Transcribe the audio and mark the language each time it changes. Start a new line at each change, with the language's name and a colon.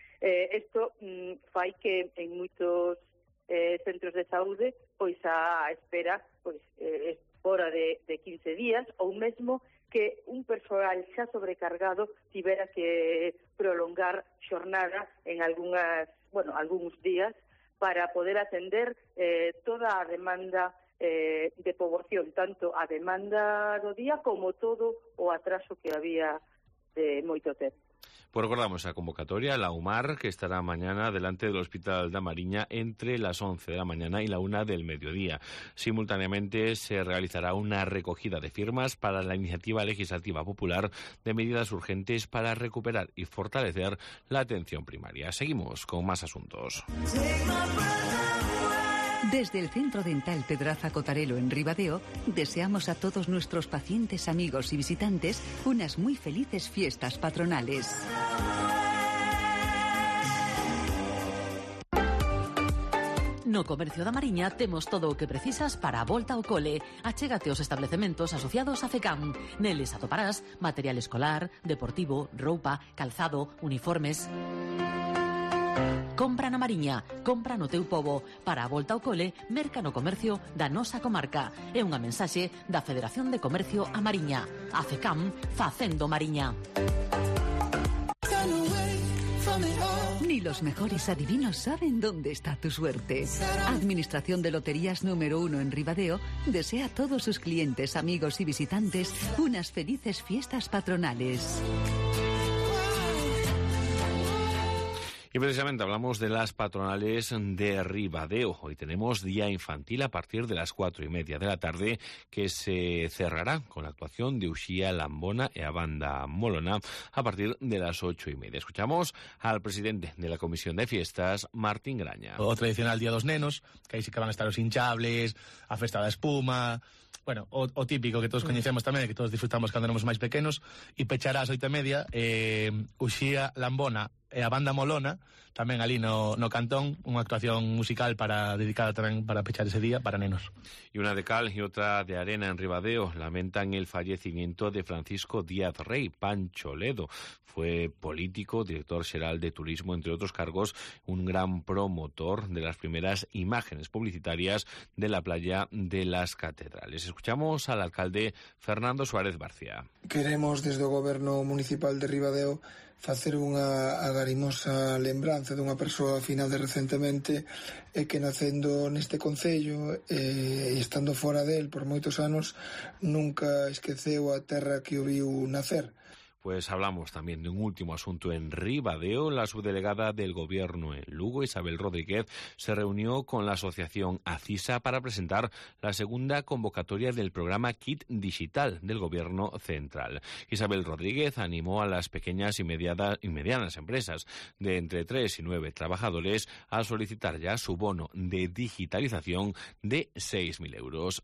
Galician: Isto fai que en moitos centros de saúde pois a espera pois fora de 15 días ou mesmo que un personal xa sobrecargado tivera que prolongar xornada en algúns días para poder atender toda a demanda de poboación, tanto a demanda do día como todo o atraso que había de moito tempo.
Spanish: Pues recordamos a convocatoria, la UMAR, que estará mañana delante del Hospital de Mariña entre las 11 de la mañana y la 1 del mediodía. Simultáneamente se realizará una recogida de firmas para la iniciativa legislativa popular de medidas urgentes para recuperar y fortalecer la atención primaria. Seguimos con más asuntos. Desde el Centro Dental Pedraza Cotarelo en Ribadeo, deseamos a todos nuestros pacientes, amigos y visitantes unas muy felices fiestas patronales.
Galician: No Comercio da Mariña temos todo o que precisas para a volta ao cole. Achégate aos establecementos asociados a FECAM. Neles atoparás material escolar, deportivo, roupa, calzado, uniformes. Compra na Mariña, compra no teu pobo. Para a volta ao cole, merca no comercio da nosa comarca. É unha mensaxe da Federación de Comercio a Mariña. A FECAM, facendo Mariña.
Spanish: Ni los mejores adivinos saben dónde está tu suerte. Administración de Loterías número 1 en Ribadeo desea a todos sus clientes, amigos y visitantes unas felices fiestas patronales. Y precisamente hablamos de las patronales de Ribadeo. Hoy tenemos Día Infantil a partir de las 4:30 de la tarde, que se cerrará con la actuación de Uxía Lambona e a banda Molona a partir de las 8:30. Escuchamos al presidente de la Comisión de Fiestas, Martín Graña.
Galician: O tradicional Día dos Nenos, que aí sí que van a estar os hinchables, a festa da espuma. Bueno, o típico que todos coñecemos tamén, que todos disfrutamos cando éramos máis pequenos, e pechará as 8:30, Uxía Lambona, e a banda Molona, tamén ali no cantón, unha actuación musical para dedicada tamén para pechar ese día para nenos. E unha de cal e outra de arena
Spanish: en Ribadeo lamentan el fallecimiento de Francisco Díaz Rey, Pancho Ledo. Fue político, director
Galician: xeral
Spanish: de turismo,
Galician: entre outros cargos,
Spanish: un gran promotor de las primeras imágenes publicitarias de la playa de las Catedrales. Escuchamos al alcalde Fernando Suárez García.
Galician: Queremos desde o goberno municipal de Ribadeo facer unha agarimosa lembranza dunha persoa afinada recentemente e que nacendo neste concello e estando fora del por moitos anos nunca esqueceu a terra que o viu nacer.
Spanish: Pues hablamos también de un último asunto en Ribadeo. La subdelegada del Gobierno en Lugo, Isabel Rodríguez, se reunió con la asociación ACISA para presentar la segunda convocatoria del programa Kit Digital del Gobierno Central. Isabel Rodríguez animó a las pequeñas y medianas empresas de entre 3 y 9 trabajadores a solicitar ya su bono de digitalización de 6.000 euros.